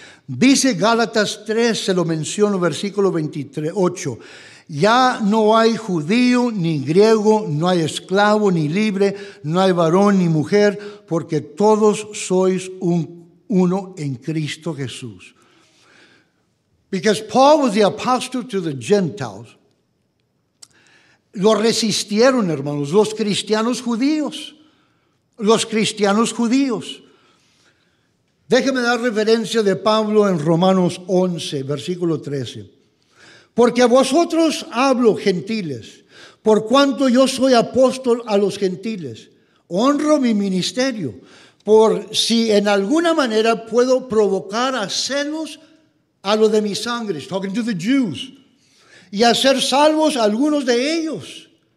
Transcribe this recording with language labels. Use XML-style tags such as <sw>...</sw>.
<es>Dice Gálatas 3, se lo menciono, versículo 28. Ya no hay judío ni griego, no hay esclavo ni libre, no hay varón ni mujer, porque todos sois uno en Cristo Jesús.</es> <en>Because Paul was the apostle to the Gentiles.</en> <es>Lo resistieron, hermanos, los cristianos judíos. Los cristianos judíos. Déjeme dar referencia de Pablo en Romanos 11, versículo 13. Porque a vosotros hablo, gentiles, por cuanto yo soy apóstol a los gentiles, honro mi ministerio, por si en alguna manera puedo provocar a celos a lo de mi sangre,</es> <en>he's talking to the Jews,</en> <es>y hacer salvos a algunos de ellos.</es>